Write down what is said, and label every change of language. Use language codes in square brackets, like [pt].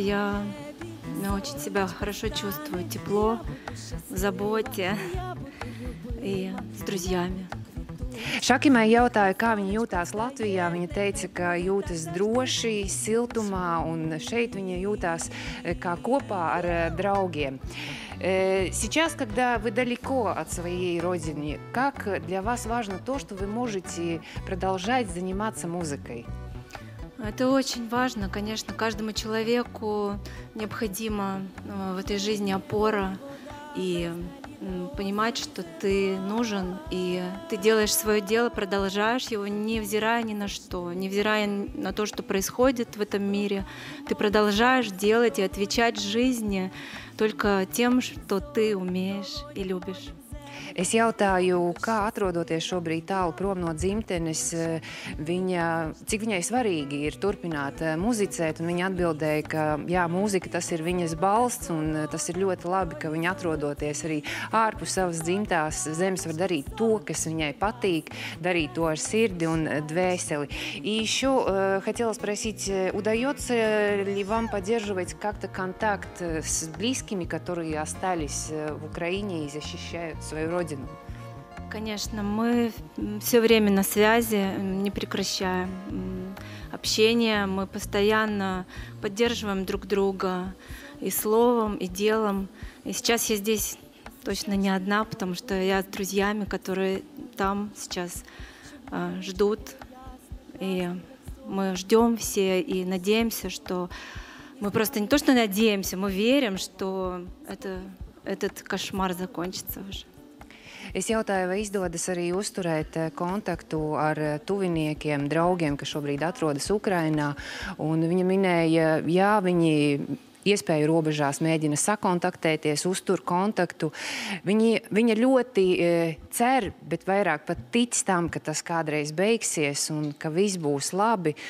[ru] Я очень себя хорошо чувствую. Тепло, в заботе и с друзьями. [lv] Shakima jautāja, kā viņa jūtās Latvijā. Viņa teica, ka jūtas droši, siltumā un šeit viņa jūtās kā kopā ar draugiem. [ru] Сейчас, когда вы далеко от своей родины, как для вас важно то, что вы можете продолжать заниматься музыкой? Это очень важно, конечно, каждому человеку необходима в этой жизни опора и понимать, что ты нужен, и ты делаешь свое дело, продолжаешь его, невзирая ни на что, невзирая на то, что происходит в этом мире, ты продолжаешь делать и отвечать жизни только тем, что ты умеешь и любишь. [lv] Es jautāju, kā atrodoties šobrīd tālu prom no dzimtenes, cik viņai svarīgi ir turpināt muzicēt, un viņa atbildēja, ka jā, mūzika tas ir viņas balsts, un tas ir ļoti labi, ka viņa atrodoties arī ārpus savas dzimtās zemes var darīt to, kas viņai patīk, darīt to ar sirdi un dvēseli. [ru] Īšu, хотела спросить, удается ли вам поддерживать как-то контакт с близкими, которые остались в Украине и защищают свою родину? Конечно, мы все время на связи, не прекращаем общение, мы постоянно поддерживаем друг друга и словом, и делом. И сейчас я здесь точно не одна, потому что я с друзьями, которые там сейчас ждут, и мы ждем все и надеемся, что мы просто не то, что надеемся, мы верим, что этот кошмар закончится уже. [lv] Es jautāju, vai izdodas arī uzturēt kontaktu ar tuviniekiem, draugiem, kas šobrīd atrodas Ukrainā. Un viņa minēja, jā, viņi iespēju robežās mēģina sakontaktēties, uztur kontaktu. Viņa ļoti cer, bet vairāk pat tic tam, ka tas kādreiz beigsies un ka viss būs labi.